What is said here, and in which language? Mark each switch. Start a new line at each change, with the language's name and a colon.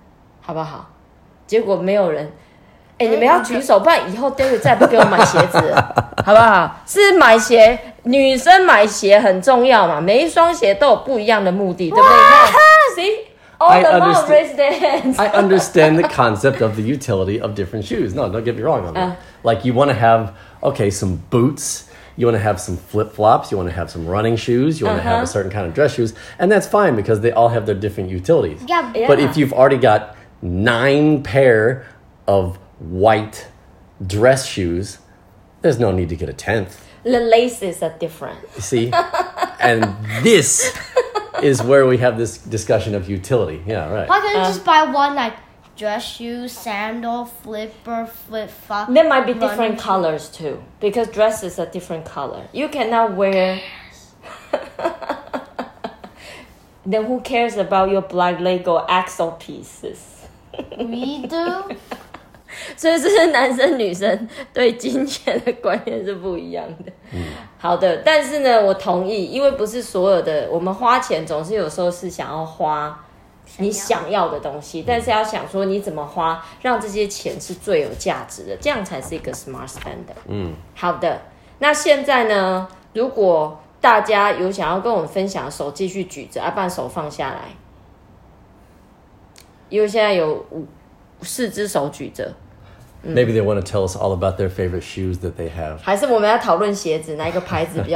Chinese: 来，所有女生，女性的朋友，同意我的讲法，就是鞋子要很多双，就是有不同用法嘛。赞同的，请帮我举手一下，好不好？结果没有人。欸, 你们要举手，不然以后David再不给我买鞋子，好不好？是买鞋女生买鞋很重要嘛，每一双鞋都有不一样的目的，对不对？
English: 哇 ，See all the mom raise their hands. I understand the concept of the utility of different shoes. No, don't get me wrong on that. Like you want to have okay some boots. You want to have some flip-flops, you want to have some running shoes, you want to have a certain kind of dress shoes, and that's fine because they all have their different utilities. Yeah, yeah. But if you've already got 9 pair of white dress shoes, there's no need to get a 10th. The laces are different. You see? And this is where we have this discussion of utility. Yeah, right. Why can't you just buy one, like, dress shoes, sandal, flipper, flip-flop? There might be different colors, too. Because dresses are different color. You cannot wear... Then who cares about your black leg or axle pieces? We do.
Chinese: 所以这是男生女生对金钱的观念是不一样的。好的，但是呢，我同意，因为不是所有的，我们花钱总是有时候是想要花你想要的东西，但是要想说你怎么花，让这些钱是最有价值的，这样才是一个
English: smart spender。
Chinese: 好的，那现在呢，如果大家有想要跟我们分享，手继续举着，啊，不然手放下来，因为现在有四只手举着。
English: Maybe they want to tell us all about their favorite shoes that they have.
Chinese: 还是我们要讨论鞋子，哪一个牌子比较